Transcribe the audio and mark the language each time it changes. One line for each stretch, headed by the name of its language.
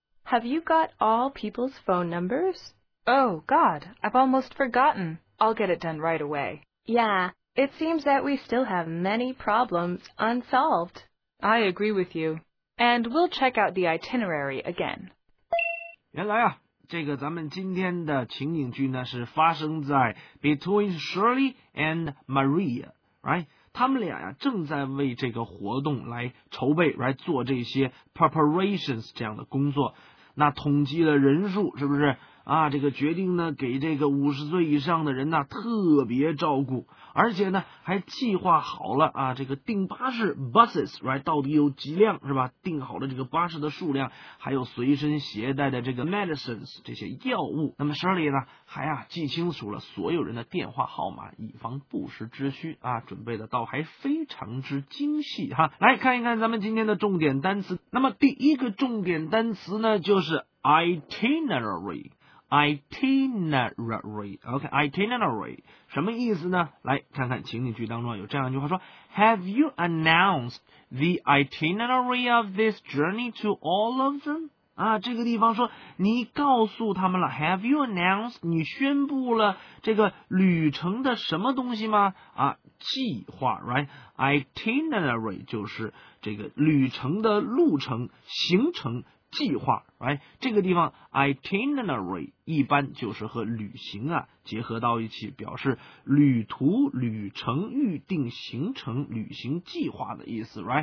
English: Have you got all people's phone numbers? Oh, God, I've almost forgotten. I'll get it done right away. Yeah, it seems that we still have many problems unsolved. I agree with you. And we'll check out the itinerary again.
Chinese: 原来啊，这个咱们今天的情景剧呢是发生在
English: between Shirley and Maria, right?
Chinese: 他们俩呀正在为这个活动来筹备，来做这些 preparations 这样的工作。那统计了人数，是不是啊？这个决定呢给这个50岁以上的人呢特别照顾，而且呢还计划好了啊，这个订巴士 buses right 到底有几辆是吧？订好了这个巴士的数量，还有随身携带的这个 medicines 这些药物。那么 Shirley 呢还啊记清楚了所有人的电话号码，以防不时之需啊，准备的倒还非常之精细哈。来看一看咱们今天的重点单词。那么第一个重点单词呢就是 itinerary。
English: Itinerary, okay, itinerary,
Chinese: 什么意思呢？来看看情景剧当中有这样一句话说
English: Have you announced the itinerary of this journey to all of them?
Chinese: 啊，这个地方说你告诉他们了
English: Have you announced,
Chinese: 你宣布了这个旅程的什么东西吗？啊，计划 right? Itinerary 就是这个旅程的路程行程计划、哎、这个地方 itinerary 一般就是和旅行啊结合到一起，表示旅途、旅程、预定行程、旅行计划的意思